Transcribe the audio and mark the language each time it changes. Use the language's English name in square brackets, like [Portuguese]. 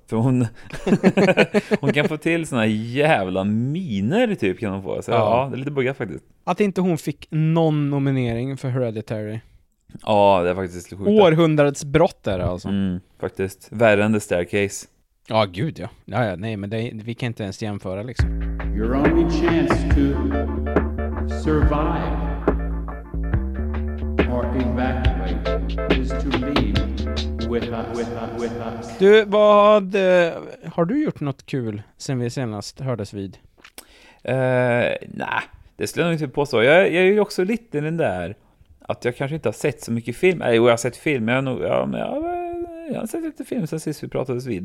[Swedish] För hon, hon kan få till såna jävla miner typ kan hon få. Så, ja, det är lite buggat faktiskt. Att inte hon fick någon nominering för Hereditary. Ja, det är faktiskt sjukt. Århundradets brott är det alltså. Faktiskt. Värre än The Staircase. Ja, gud ja. Ja nej, men vi kan inte ens jämföra liksom. [English] Your only chance to survive or evacuate is to leave with us. [Swedish] Du, vad har du gjort något kul sen vi senast hördes vid? Nej, Det slår nog inte på så. Jag är ju också lite den där att jag kanske inte har sett så mycket film. Nej, jag har sett film. Jag har sett lite film sen sist vi pratades vid.